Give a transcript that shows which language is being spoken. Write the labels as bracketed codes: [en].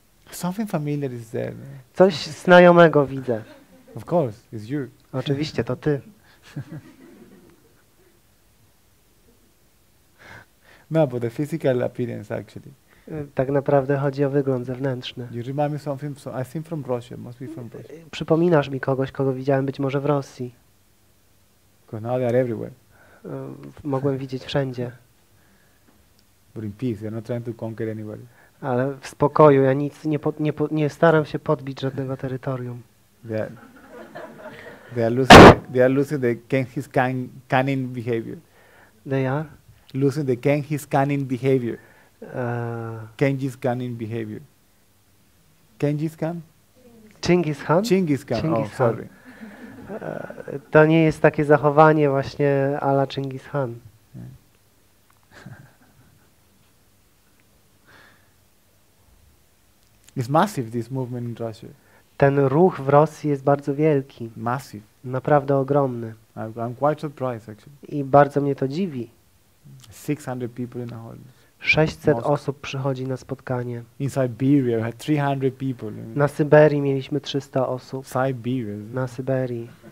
[en] Something familiar is there. No? [pl] Coś znajomego widzę. [en] Of course, it's you. [pl] Oczywiście, to ty. [en] No, but the physical appearance actually. [pl] Tak naprawdę chodzi o wygląd zewnętrzny. [en] You remind me something, so I think from Russia, must be from Russia. [pl] Przypominasz mi kogoś, kogo widziałem być może w Rosji. [en] Because now they are everywhere. [pl] Mogłem widzieć wszędzie. [en] But in peace, you're not trying to conquer anybody. [pl] Ale w spokoju, ja nic nie staram się podbić żadnego terytorium. [en] Yeah. They are losing the Genghis Khan cunning behavior. They are? Losing the Genghis cunning behavior. Genghis cunning behavior. Genghis Khan? Genghis Khan? Genghis Khan. Khan, oh sorry. [pl] To nie jest takie zachowanie właśnie a la Genghis Khan. [en] It's massive, this movement in Russia. [pl] Ten ruch w Rosji jest bardzo wielki. [en] Massive. [pl] Naprawdę ogromny. [en] I'm quite surprised, actually. [pl] I bardzo mnie to dziwi. [en] 600 people in the hall. [pl] 600 osób przychodzi na spotkanie. [en] In Siberia, we had 300 people. [pl] Na Syberii mieliśmy 300 osób. [en] Siberia. [pl] Na Syberii.